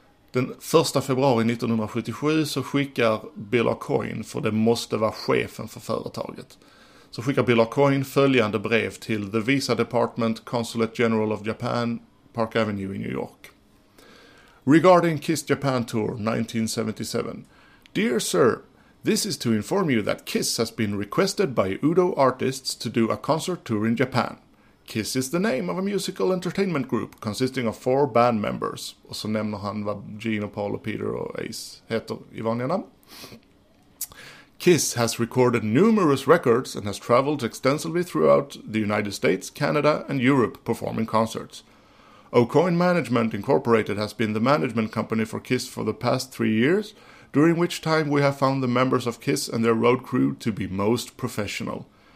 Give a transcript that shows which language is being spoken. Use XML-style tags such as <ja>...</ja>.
<sv>Den 1 februari 1977 så skickar Bill O'Coyne, för det måste vara chefen för företaget, så skickar Bill O'Coyne följande brev till The Visa Department, Consulate General of Japan, Park Avenue i New York.</sv> <en>Regarding Kiss Japan Tour 1977. Dear sir, this is to inform you that Kiss has been requested by Udo Artists to do a concert tour in Japan. Kiss is the name of a musical entertainment group consisting of four band members.</en> <sv>Och så nämner han vad Gene och Paul och Peter och Ace heter i vanliga namn.</sv> <en>Kiss has recorded numerous records and has traveled extensively throughout the United States, Canada and Europe performing concerts. O'Coyne Management Incorporated has been the management company for Kiss for the past 3 years, during which time we have found the members of Kiss and their road crew to be most professional.</en>